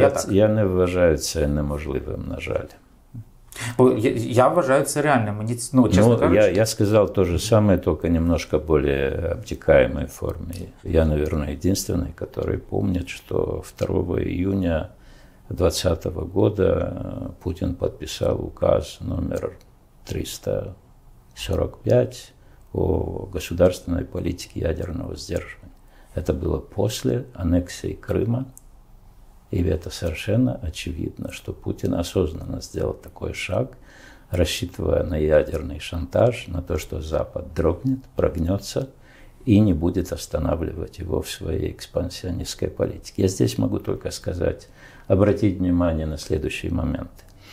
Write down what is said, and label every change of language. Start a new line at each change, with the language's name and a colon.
Ukrainian: Я не уважаю это неможливым, на жаль. Я вважаю це реальним. Мені, ну, чесно ну, кажучи. Я сказав те ж саме, тільки немножко більш обтікаємої форми. Я, мабуть, єдиний, який пам'ятає, що 2 июня 2020 року Путін підписав указ номер 345 о державній політиці ядерного здержування. Це було після анексії Криму.
Russian: И это совершенно очевидно, что Путин осознанно сделал такой шаг, рассчитывая на ядерный шантаж, на то, что Запад дрогнет, прогнется и не будет останавливать его в своей экспансионистской политике. Я здесь могу только сказать, обратить внимание на следующие моменты.